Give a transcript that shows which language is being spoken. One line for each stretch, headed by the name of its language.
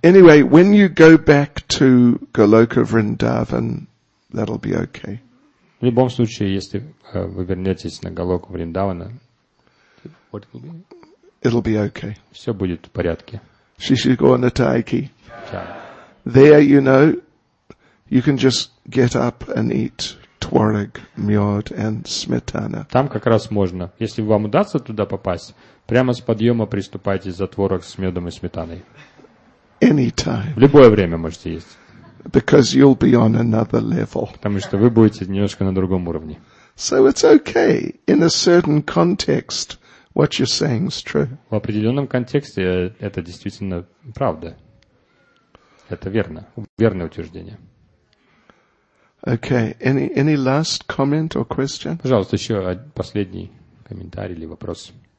English: Anyway, when you go back to Goloka Vrindavan, that'll be okay.
Russian: В любом случае, если вы вернетесь на Голоку Вриндавана,
English: it'll be okay.
Russian: Все будет в порядке. Шишигонатайки. Чао.
English: There, you know, you can just get up and eat творог, мед and сметана.
Russian: Там как раз можно. Если вам удастся туда попасть, прямо с подъема приступайте за творог с медом и сметаной.
English: Anytime.
Russian: В любое время можете есть.
English: Because you'll be on another level.
Russian: Потому что вы будете немножко на другом уровне.
English: So it's okay in a certain context what you're saying is true.
Russian: В определенном контексте это действительно правда. Это верно. Верное утверждение.
English: Okay. Any last comment or question?
Russian: Пожалуйста, еще последний комментарий или вопрос.